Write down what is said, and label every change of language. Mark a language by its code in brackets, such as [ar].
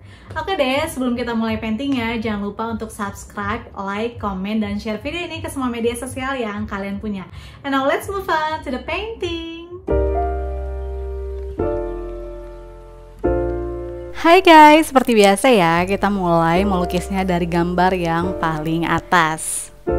[id] Oke deh, sebelum kita mulai paintingnya, jangan lupa untuk subscribe, like, komen, dan share video ini ke semua media sosial yang kalian punya. [en] And now let's move on to the painting! [id] Hai guys, seperti biasa ya, kita mulai melukisnya dari gambar yang paling atas.